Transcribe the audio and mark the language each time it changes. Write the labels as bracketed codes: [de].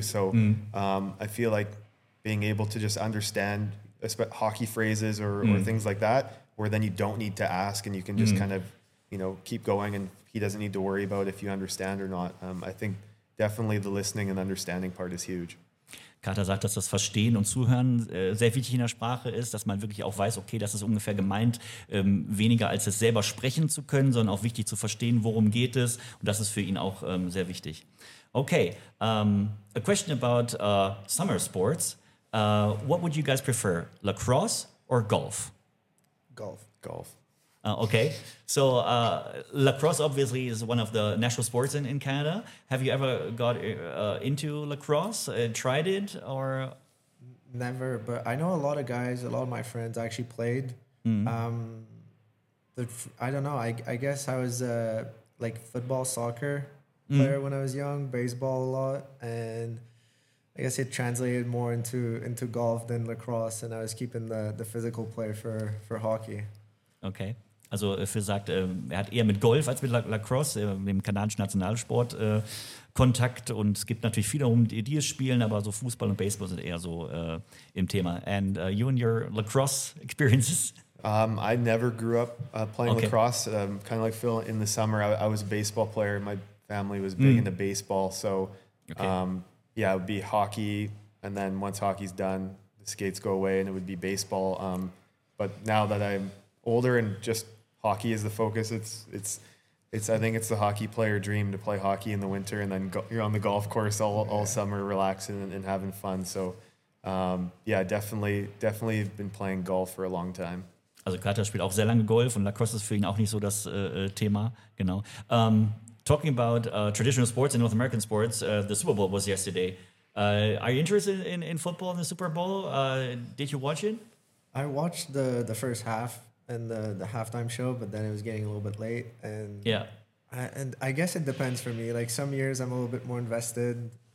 [en] So I feel like being able to just understand hockey phrases or things like that, where then you don't need to ask and you can just kind of, you know, keep going and he doesn't need to worry about if you understand or not. I think definitely the listening and understanding part is huge. [de] Carter sagt, dass das Verstehen und Zuhören sehr wichtig in der Sprache ist, dass man wirklich auch weiß, okay, das ist ungefähr gemeint, weniger als es selber sprechen zu können, sondern auch wichtig zu verstehen, worum geht es. Und das ist für ihn auch sehr wichtig. [en] Okay, a question about summer sports. What would you guys prefer, lacrosse or golf? Golf. Okay, so lacrosse obviously is one of the national sports in Canada. Have you ever got into lacrosse, tried it, or? Never, but I know a lot of guys, a lot of my friends actually played. Mm-hmm. I don't know, I guess I was like football, soccer player when I was young, baseball a lot, and I guess it translated more into golf than lacrosse, and I was keeping the physical play for hockey. Okay. [de] Also Phil sagt, er hat eher mit Golf als mit Lacrosse, dem kanadischen Nationalsport, Kontakt. Und es gibt natürlich viele, die es spielen, aber so Fußball und Baseball sind eher so im Thema. [en] And you and your Lacrosse experiences? I never grew up playing Lacrosse. Kind of like Phil, in the summer, I was a baseball player. My family was big into baseball. So, it would be hockey. And then once hockey's done, the skates go away and it would be baseball. But now that I'm older and just hockey is the focus, it's I think it's the hockey player dream to play hockey in the winter and then you're on the golf course all summer relaxing and having fun. So definitely been playing golf for a long time. [de] Also Carter spielt auch sehr lange Golf und Lacrosse ist für ihn auch nicht so das Thema, genau. [en] Talking about traditional sports and North American sports, the Super Bowl was yesterday. Are you interested in football in the Super Bowl? Did you watch it? I watched the first half and the halftime show, but then it was getting a little bit late. And I guess it depends for me. Like some years I'm a little bit more invested.